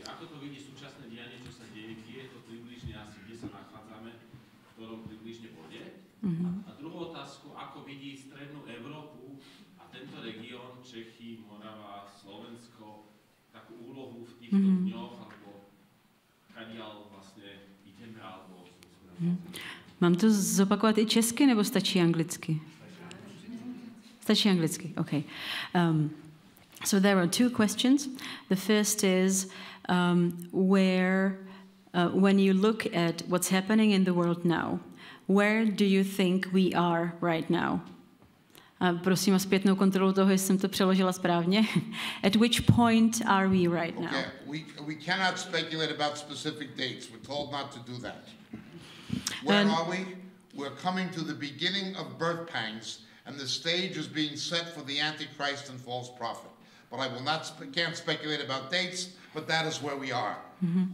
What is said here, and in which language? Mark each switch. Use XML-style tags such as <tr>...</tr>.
<sk>Čiže ako to vidí současné dianie, čo sa deje, kde je to približne asi, kde sa nachádzame, v ktorom približne bude? Mm-hmm. A druhú otázku, ako vidí strednú Európu a tento region, Čechy, Morava, Slovensko, takú úlohu v týchto mm-hmm. dňoch, alebo kadiaľ vlastne ideme, alebo...</sk> <cs>Mám to zopakovat i česky, nebo stačí anglicky? Stačí anglicky, okay.</cs> <en>So there are two questions. The first is when you look at what's happening in the world now, where do you think we are right now?</en> <cs>Prosím o zpětnou kontrolu toho, jestli jsem to přeložila správně.</cs> <en>At which point are we right now? Okay, we cannot speculate about specific dates. We're told not to do that. Where are we? We're coming to the beginning of birth pangs, and the stage is being set for the Antichrist and false prophet. But I will not can't speculate about dates, but that is where we are. Mm-hmm.</en>